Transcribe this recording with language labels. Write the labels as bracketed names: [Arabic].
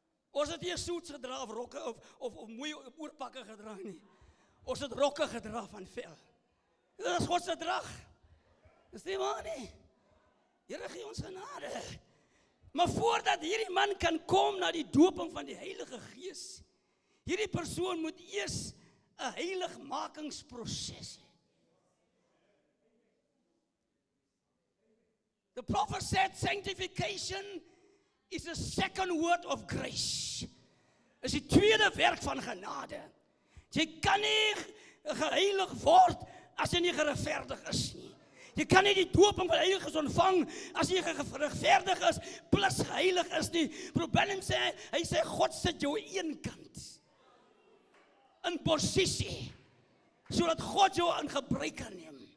[Afrikaans] Ons het hier suits gedra of rokke of mooi oorpakke gedra nie. Ons het rokke gedra van vel. Dit is God se drag. Dis nie waar nie. Here gee ons genade. Maar voordat hierdie man kan kom na die dooping van die Heilige Gees, hierdie persoon moet eers 'n heiligmakingsproses hê. [English] The prophet said sanctification is the second word of grace. [Afrikaans] Is die tweede werk van genade. Jy kan nie geheilig word as jy nie geregverdig is nie. Jy kan nie die doop van die Heilige Gees ontvang as jy geregverdig is plus geheilig is nie. Probleem sê, hy sê God sit jou een kant in posisie sodat God jou in gebruik kan neem.